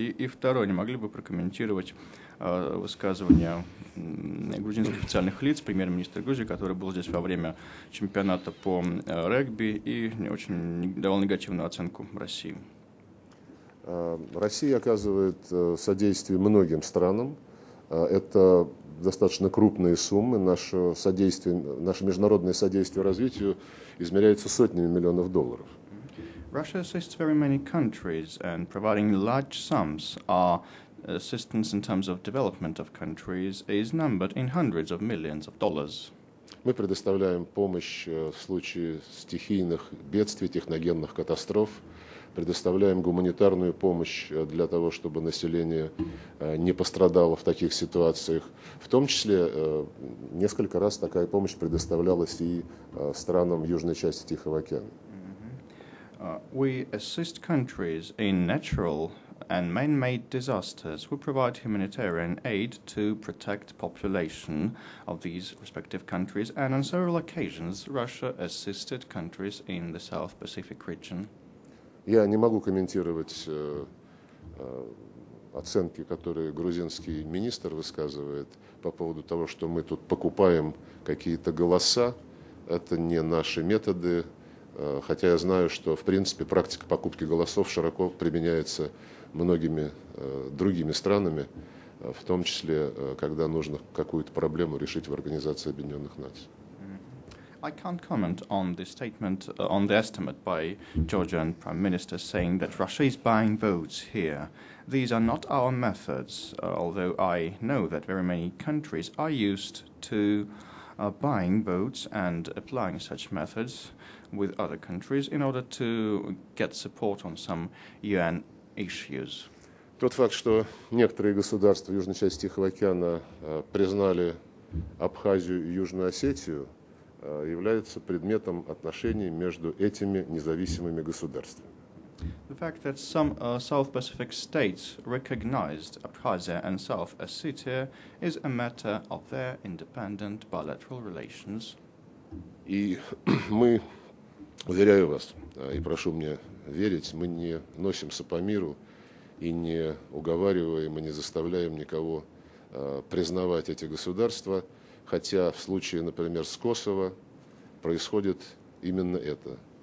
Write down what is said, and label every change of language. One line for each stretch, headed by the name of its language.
Russian: И второе, не могли бы прокомментировать высказывания грузинских официальных лиц, премьер-министра Грузии, который был здесь во время чемпионата по регби и очень давал негативную оценку России? Россия оказывает содействие многим странам. Это достаточно крупные суммы. Наше содействие, наше международное содействие развитию измеряется сотнями миллионов долларов.
English: Russia assists very many countries and providing large sums. Our assistance in terms of development of countries is numbered in hundreds of millions of dollars.
Russian: Мы предоставляем помощь в случае стихийных бедствий, техногенных катастроф. Предоставляем гуманитарную помощь для того, чтобы население не пострадало в таких ситуациях. В том числе несколько раз такая помощь предоставлялась и странам южной части Тихого океана.
English: We assist countries in natural and man-made disasters. We provide humanitarian aid to protect population of these respective countries. And on several occasions Russia assisted countries in the South Pacific region.
Russian: Я не могу комментировать оценки, которые грузинский министр высказывает по поводу того, что мы тут покупаем какие-то голоса. Это не наши методы, хотя я знаю, что в принципе практика покупки голосов широко применяется многими другими странами, в том числе, когда нужно какую-то проблему решить в Организации Объединенных Наций.
English: I can't comment on the statement, on the estimate by Georgian Prime Minister saying that Russia is buying votes here. These are not our methods, although I know that very many countries are used to buying votes and applying such methods with other countries in order to get support on some UN issues.
Russian: Тот факт, что некоторые государства в южной части Тихого океана признали Абхазию и Южную Осетию, является предметом отношений между этими независимыми государствами.
English: The fact that some South Pacific states recognized Abkhazia and South Ossetia is a matter of their independent bilateral relations.
Russian: И мы, уверяю вас, и прошу мне верить, мы не носимся по миру и не уговариваем и не заставляем никого признавать эти государства. Хотя в случае, например, с Косово происходит именно это.